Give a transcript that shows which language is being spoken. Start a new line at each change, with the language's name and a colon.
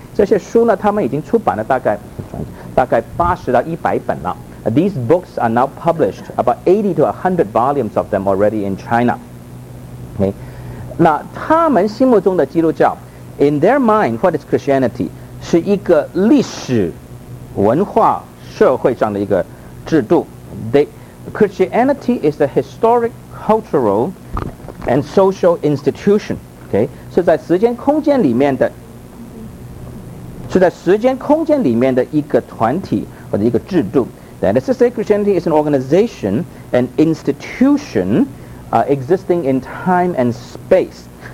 Chinese: 这些书呢,他们已经出版了大概80到100本了.
English: These books are now published, about 80 to 100 volumes of them already in China. Okay.
Chinese: 那他们心目中的基督教,
English: in their mind, what is Christianity?
Chinese: 是一个历史文化社会上的一个制度.
English: Christianity is a historic, cultural, and social institution. Okay.
Chinese: 是在时间空间里面的, 是在时间空间里面的一个团体或者一个制度.
English: That is to say, Christianity is an organization, an institution, existing in time and space.